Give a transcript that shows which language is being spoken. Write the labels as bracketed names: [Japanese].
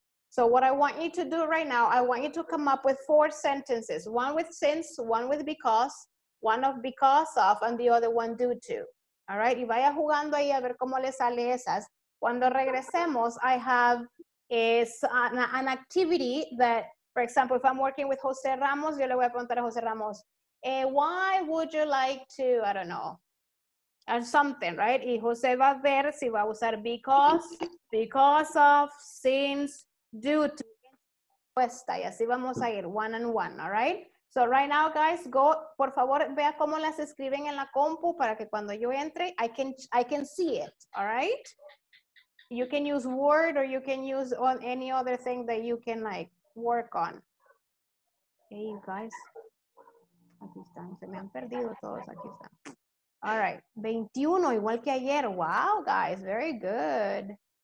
[English] So what I want you to do right now, I want you to come up with four sentences. One with since, one with because, one of because of, and the other one due to. All right, [Spanish] y vaya jugando ahí a ver cómo le sale esas. Cuando regresemos, [English] I have an activity that, for example, if I'm working with Jose Ramos, [Spanish] yo le voy a preguntar a Jose Ramos, [English] why would you like to, I don't know, or something, right? [Spanish] Y Jose va a ver si va a usar because of, since, due to, respuesta, y así vamos a ir, [English] one and one, all right? So right now, guys, go, [Spanish] por favor, vea cómo las escriben en la compu para que cuando yo entre, [English] I can see it, all right? You can use Word or you can use on any other thing that you can, like, work on. Hey, you guys. [Spanish] Aquí están, se me han perdido todos, aquí están. [English] All right, 21, [Spanish] igual que ayer. [English] Wow, guys, very good.